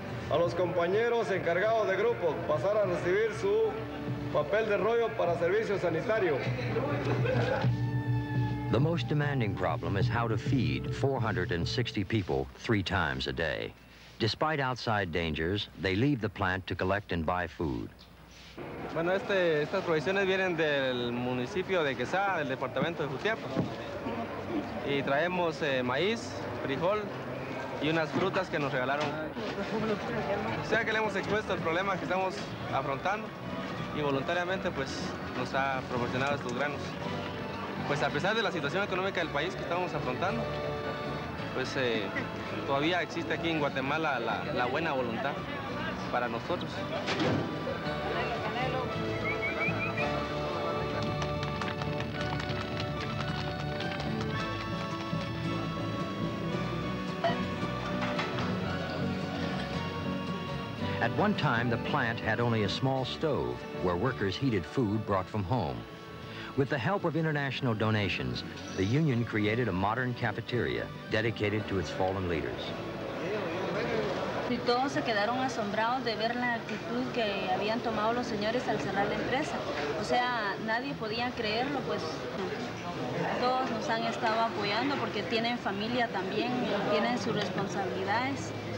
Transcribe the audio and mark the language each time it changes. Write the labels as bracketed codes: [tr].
[es] A los compañeros encargados de grupos pasarán a recibir su papel de rollo para servicio sanitario. [en] The most demanding problem is how to feed 460 people three times a day. Despite outside dangers, they leave the plant to collect and buy food. [es] Bueno, estas provisiones vienen del municipio de Quesada, del departamento de Jutiapa. Y traemos maíz, frijol y unas frutas que nos regalaron. O sea que le hemos expuesto el problema que estamos afrontando y voluntariamente pues nos ha proporcionado estos granos. Pues a pesar de la situación económica del país que estamos afrontando, pues todavía existe aquí en Guatemala la buena voluntad para nosotros. [en] At one time, the plant had only a small stove where workers heated food brought from home. With the help of international donations, the union created a modern cafeteria dedicated to its fallen leaders. [es] Y todos se quedaron asombrados de ver la actitud que habían tomado los señores al cerrar la empresa. O sea, nadie podía creerlo, pues todos nos han estado apoyando porque tienen familia también, tienen sus responsabilidades.